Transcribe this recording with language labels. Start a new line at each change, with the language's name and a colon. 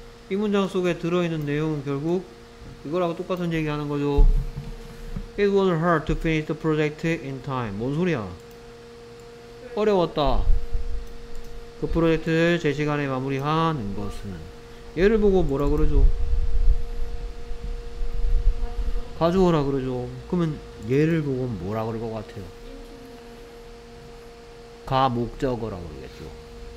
Korean: 이 문장 속에 들어있는 내용은 결국 이거랑 똑같은 얘기하는 거죠.
English: It was hard to finish the project in time.
Korean: 뭔 소리야? 어려웠다. 그 프로젝트를 제 시간에 마무리하는 것은 얘를 보고 뭐라 그러죠? 가주어라 그러죠. 그러면 얘를 보고 뭐라 그럴 것 같아요? 가 목적어라 그러겠죠.